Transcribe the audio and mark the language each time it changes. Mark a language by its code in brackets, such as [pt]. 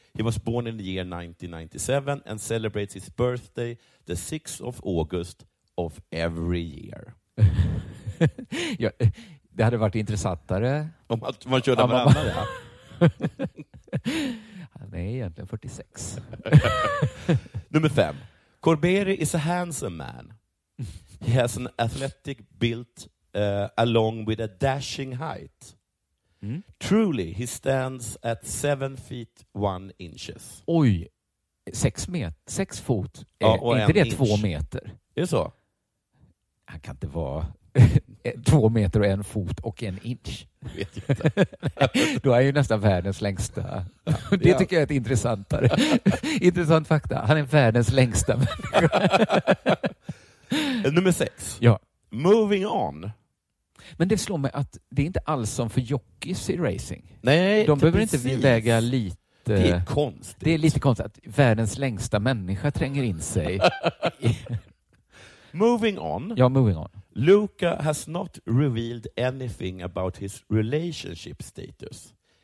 [en] He was born in the year 1997 and celebrates his birthday the 6th of August of every year. [sv] Ja. Det hade varit intressantare. Om att man körde med andra, ja. Han är egentligen 46. Nummer 5. [en] Corberi is a handsome man. He has an athletic build along with a dashing height. Mm. Truly, he stands at 7 feet 1 inches. [sv] Oj, 6 fot. Ja, inte det inch. 2 meter? Är det så? Han kan inte vara... 2 meter och 1 fot och 1 inch. Vet jag inte. Då är ju nästan världens längsta. Ja, det tycker jag är ett intressantare. Intressant fakta. Han är världens längsta. Nummer 6. Ja. [en] Moving on. [sv] Men det slår mig att det är inte alls som för jockeys i racing. Nej, de inte behöver precis. Inte väga lite. Det är konstigt. Det är lite konstigt att världens längsta människa tränger in sig. [en] Moving on. Ja, moving on. Luca has not revealed anything about his relationship status.